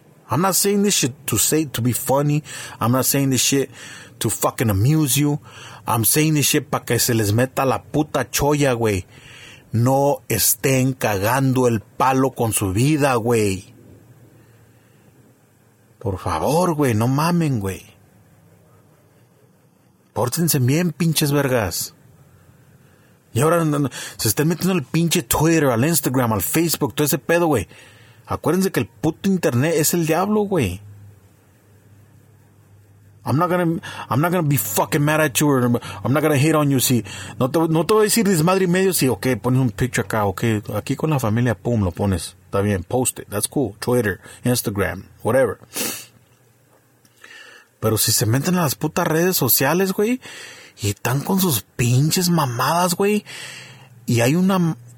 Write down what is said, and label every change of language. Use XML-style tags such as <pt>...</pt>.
<en>I'm not saying this shit to say, to be funny. I'm not saying this shit to fucking amuse you.</en> <es>I'm saying this shit para que se les meta la puta cholla, güey. No estén cagando el palo con su vida, güey. Por favor, güey, no mamen, güey. Pórtense bien, pinches vergas. Y ahora se están metiendo al pinche Twitter, al Instagram, al Facebook, todo ese pedo, güey. Acuérdense que el puto internet es el diablo, güey.</es> <en>I'm not gonna be fucking mad at you or I'm not gonna hate on you.</en> <es>Si, no te voy a decir desmadre y medio. Si, ok, pones un picture acá, ok. Aquí con la familia, pum, lo pones. Está bien, post it. That's cool.</es> <en>Twitter, Instagram, whatever.</en> <es>Pero si se meten a las putas redes sociales, güey, y están con sus pinches mamadas, güey, y hay una...</es>